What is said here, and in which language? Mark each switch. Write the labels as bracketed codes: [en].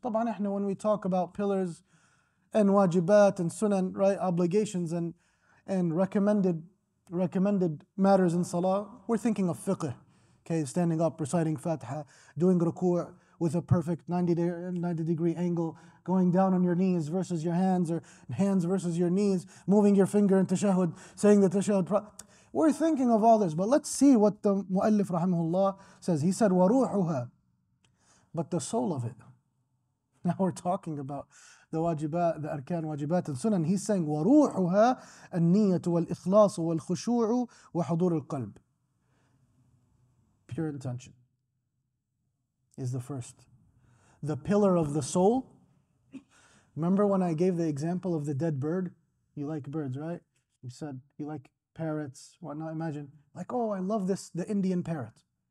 [ar] طبعاً إحنا, [en] when we talk about pillars and wajibat and sunan, right, obligations and recommended matters in salah, we're thinking of fiqh, okay, standing up, reciting fatha, doing ruku' with a perfect 90 degree angle, going down on your knees versus your hands, or hands versus your knees, moving your finger in tashahud, saying the tashahud. We're thinking of all this, but let's see what the Mu'allif rahimahullah says. He said, [ar] وَرُوحُهَا. [en] But the soul of it. Now we're talking about the wajibat, the arkan, wajibat, and sunan. He's saying, [ar] وَرُوحُهَا النِّيَّةُ وَالْإِخْلَاصُ وَالْخُشُوعُ وَحُضُورُ الْقَلْبِ. [en] Pure intention is the first. The pillar of the soul. Remember when I gave the example of the dead bird? You like birds, right? You said you like parrots, whatnot. Imagine, like, oh, I love this, the Indian parrot.